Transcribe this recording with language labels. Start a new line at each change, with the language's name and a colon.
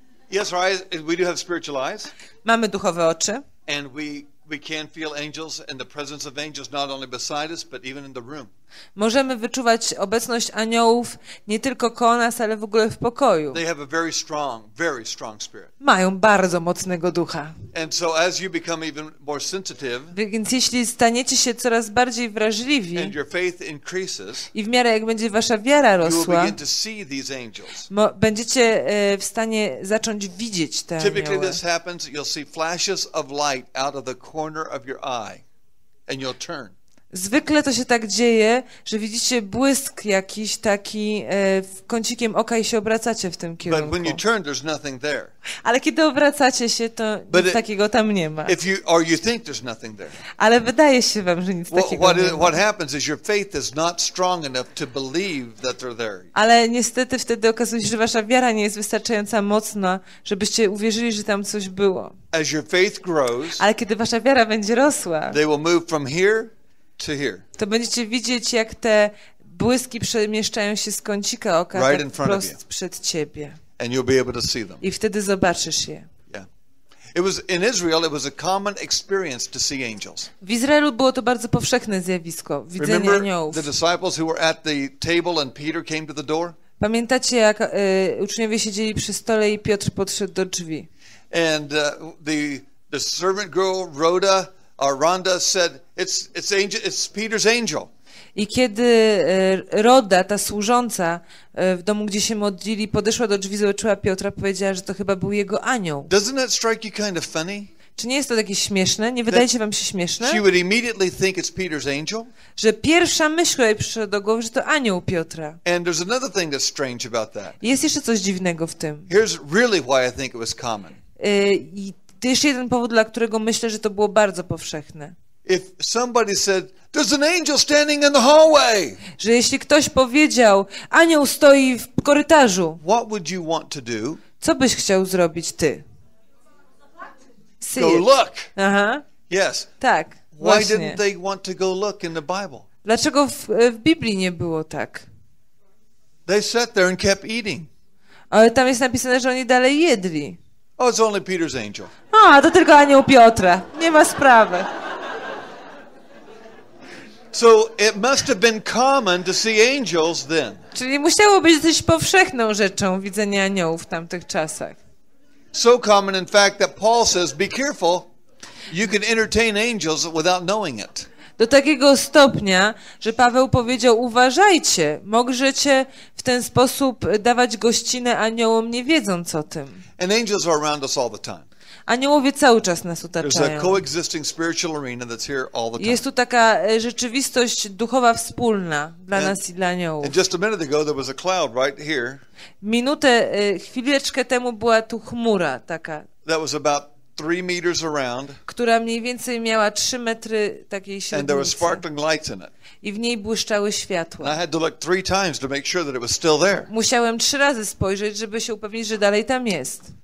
English: Yes, right. We do have spiritual eyes.
Polish: Mamy duchowe oczy.
English: And we can feel angels and the presence of angels not only beside us, but even in the room.
Polish: Możemy wyczuwać obecność aniołów nie tylko koło nas, ale w ogóle w pokoju.
English: They have a very strong spirit.
Polish: Mają bardzo mocnego ducha.
English: And so as you become even more sensitive,
Polish: więc jeśli staniecie się coraz bardziej wrażliwi,
English: and your faith increases,
Polish: i w miarę jak będzie wasza wiara rosła,
English: you will begin to see these angels.
Polish: Będziecie w stanie zacząć widzieć te anioły.
English: Typically this happens, you'll see flashes of light out of the corner of your eye, and you'll turn.
Polish: Zwykle to się tak dzieje, że widzicie błysk jakiś taki w kącikiem oka i się obracacie w tym kierunku.
English: But when you turn, there's nothing there.
Polish: Ale kiedy obracacie się, to
English: But
Polish: nic takiego tam nie ma.
English: If you, or you think there's nothing there.
Polish: Ale wydaje się wam, że nic takiego
English: what
Polish: nie
English: is,
Polish: ma.
English: What happens is your faith is not strong enough to believe that they're there.
Polish: Ale niestety wtedy okazuje się, że wasza wiara nie jest wystarczająca mocna, żebyście uwierzyli, że tam coś było.
English: As your faith grows,
Polish: ale kiedy wasza wiara będzie rosła,
English: they will move from here to here.
Polish: To będziecie widzieć, jak te błyski przemieszczają się z kącika oka
English: right
Polish: tak prosto przed ciebie.
English: And you'll be able to see them.
Polish: I wtedy zobaczysz je.
English: It was in Israel, it was a common experience to see angels.
Polish: W Izraelu było to bardzo powszechne zjawisko, widzenie aniołów.
English: The disciples who were at the table and Peter came to the door?
Polish: Pamiętacie, jak uczniowie siedzieli przy stole i Piotr podszedł do drzwi?
English: And the servant girl Rhoda Rhonda said, it's angel, it's Peter's angel.
Polish: I kiedy Rhoda, ta służąca w domu, gdzie się modlili, podeszła do drzwi, zobaczyła Piotra, powiedziała, że to chyba był jego anioł.
English: Doesn't that strike you kind of funny?
Polish: Czy nie jest to takie śmieszne? Nie wydaje się wam się śmieszne?
English: She would immediately think it's Peter's angel.
Polish: Że pierwsza myśl, która jej przyszła do głowy, że to anioł Piotra.
English: And there's another thing that's strange about that.
Polish: I jest jeszcze coś dziwnego w tym.
English: Here's really why I think it was common.
Polish: To jeszcze jeden powód, dla którego myślę, że to było bardzo powszechne.
English: If somebody said, there's an angel standing in the hallway,
Polish: że jeśli ktoś powiedział, anioł stoi w korytarzu,
English: what would you want to do?
Polish: Co byś chciał zrobić ty? Zobaczyć.
English: go look. Uh-huh. Yes.
Polish: Tak.
English: Why
Polish: właśnie.
English: Didn't they want to go look in the Bible?
Polish: Dlaczego w Biblii nie było tak?
English: They sat there and kept eating.
Polish: Ale tam jest napisane, że oni dalej jedli.
English: Oh, it's only Peter's angel.
Polish: A, to tylko anioł Piotra. Nie ma sprawy.
English: So it must have been common to see angels then.
Polish: Czyli musiało być dosyć powszechną rzeczą widzenie aniołów w tamtych czasach.
English: So common, in fact, that Paul says, be careful, you can entertain angels without knowing it.
Polish: Do takiego stopnia, że Paweł powiedział, uważajcie, możecie w ten sposób dawać gościnę aniołom, nie wiedząc o tym.
English: And angels are around us all the time.
Polish: Aniołowie cały czas nas otaczają.
English: There's a coexisting spiritual arena that's here all the time.
Polish: Jest tu taka rzeczywistość duchowa wspólna dla nas i dla aniołów.
English: And just a minute ago, there was a cloud right here.
Polish: Minutę, chwileczkę temu była tu chmura taka.
English: That was about 3 meters around,
Polish: która mniej więcej miała 3 metry takiej średnicy.
English: And there were sparkling lights in it.
Polish: I w niej błyszczały światła.
English: And I had to look 3 times to make sure that it was still there.
Polish: Musiałem 3 razy spojrzeć, żeby się upewnić, że dalej tam jest.